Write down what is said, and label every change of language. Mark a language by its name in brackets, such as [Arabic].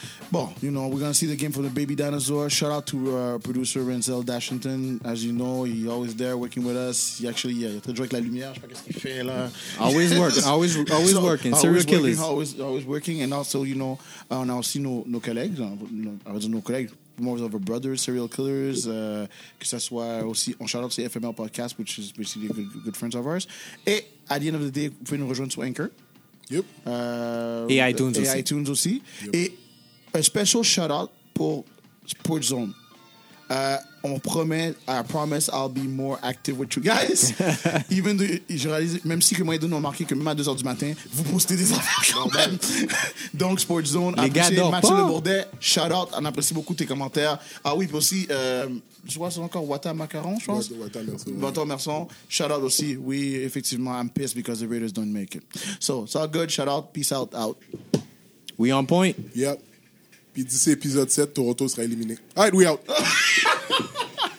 [English] Bon, you know, we're going to see the game for the baby dinosaur. Shout out to our producer, Renzel Dashington. As you know, he's always there working with us. He actually, [French] il est avec la lumière. Je sais pas qu'est-ce qu'il fait, là. [English] Always working. Always working. Serial killers. Always working. And also, you know, [French] on a aussi nos collègues. [English] More of a brother, serial killers. [French] Que ça soit aussi, on [English] shout out to the FML podcast, which is basically good friends of ours. [French] Et [English] at the end of the day, [French] vous pouvez nous rejoindre sur Anchor. Yep. Et iTunes aussi. Et iTunes aussi. Yep. Et [English] a special shout out [French] pour Sports Zone. On promet, [English] I promise I'll be more active with you guys. [French] Even de, je réalise, même si que moi et Dune ont marqué que même à 2h du matin, vous postez des affaires quand même. Donc, Sports Zone, les gars dorment pas. Mathieu Le Bourdet, shout out, on apprécie beaucoup tes commentaires. Ah oui, puis aussi, je vois, c'est encore Wata Macaron, je pense. Wata Merson. Wata Merson, shout out aussi. Oui, effectivement, [English] I'm pissed because the Raiders don't make it. So, it's all good, shout out, peace out, out. We on point. [French] Yep. Puis d'ici épisode 7, Toronto sera éliminé. [English] All right, we out. [French] Ha ha ha!